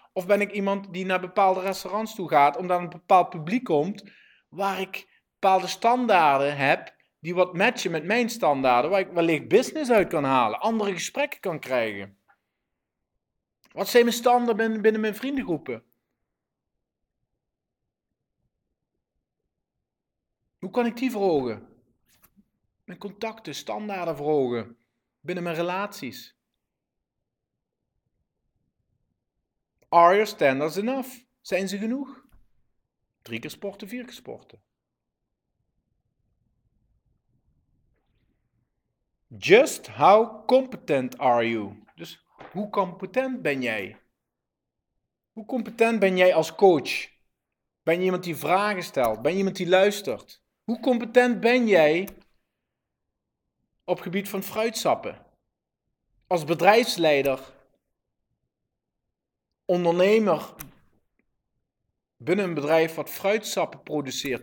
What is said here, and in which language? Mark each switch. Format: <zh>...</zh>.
<nl>Of ben ik iemand die naar bepaalde restaurants toe gaat, omdat een bepaald publiek komt, waar ik bepaalde standaarden heb, die wat matchen met mijn standaarden, waar ik wellicht business uit kan halen, andere gesprekken kan krijgen? Wat zijn mijn standaarden binnen mijn vriendengroepen? Hoe kan ik die verhogen? Mijn contacten, standaarden verhogen binnen mijn relaties.</nl> <en>Are your standards enough?</en> <nl>Zijn ze genoeg? 3 keer sporten, 4 keer sporten.</nl> <en>Just how competent are you?</en> <nl>Dus hoe competent ben jij? Hoe competent ben jij als coach? Ben je iemand die vragen stelt? Ben je iemand die luistert? Hoe competent ben jij op het gebied van fruitsappen? Als bedrijfsleider, ondernemer binnen een bedrijf wat fruitsappen produceert.</nl>